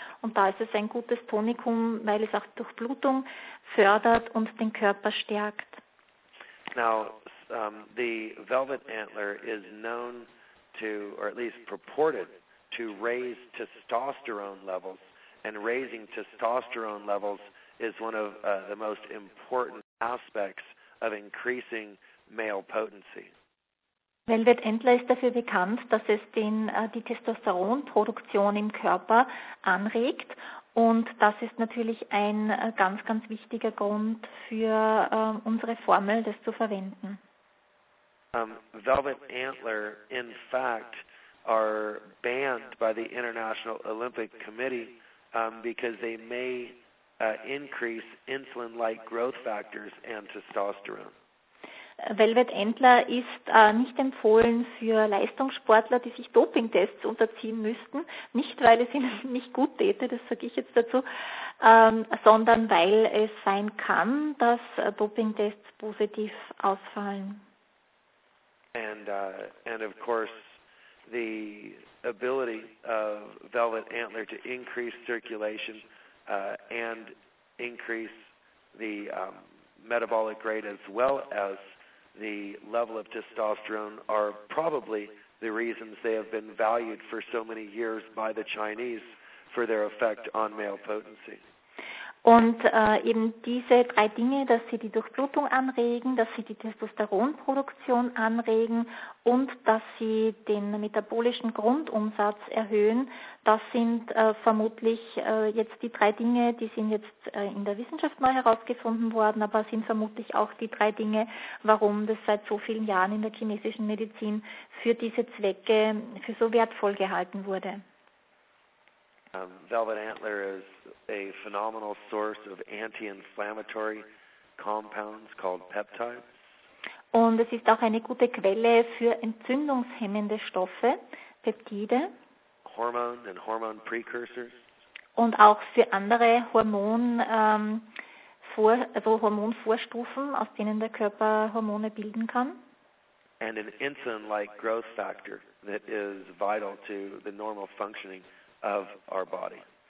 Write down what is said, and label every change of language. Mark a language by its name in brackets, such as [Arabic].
[German] Und da ist es ein gutes Tonikum, weil es auch Durchblutung fördert und den Körper stärkt. [English] Now, the velvet antler is known to, or at least purported to raise testosterone levels, and raising testosterone levels is one of the most important aspects of increasing male potency. [German] Velvet Antler ist dafür bekannt, dass es die Testosteronproduktion im Körper anregt, und das ist natürlich ein ganz, ganz wichtiger Grund für unsere Formel, das zu verwenden. [English] Velvet Antler, in fact, are banned by the International Olympic Committee because they may increase insulin-like growth factors and testosterone. [German] Velvet Antler ist nicht empfohlen für Leistungssportler, die sich Dopingtests unterziehen müssten, nicht weil es ihnen nicht gut täte, das sage ich jetzt dazu, sondern weil es sein kann, dass Dopingtests positiv ausfallen. [English] And of course, the ability of Velvet Antler to increase circulation and increase the metabolic rate as well as the level of testosterone are probably the reasons they have been valued for so many years by the Chinese for their effect on male potency. [German] Und eben diese drei Dinge, dass sie die Durchblutung anregen, dass sie die Testosteronproduktion anregen und dass sie den metabolischen Grundumsatz erhöhen, das sind vermutlich jetzt die drei Dinge, die sind jetzt in der Wissenschaft neu herausgefunden worden, aber sind vermutlich auch die drei Dinge, warum das seit so vielen Jahren in der chinesischen Medizin für diese Zwecke für so wertvoll gehalten wurde. [English] Velvet Antler is a phenomenal source of anti-inflammatory compounds called peptides. [German] Und es ist auch eine gute Quelle für entzündungshemmende Stoffe, Peptide. [English] Hormones and hormone precursors. [German] Und auch für andere Hormonvorstufen, aus denen der Körper Hormone bilden kann. [English] And an insulin-like growth factor that is vital to the normal functioning of our body.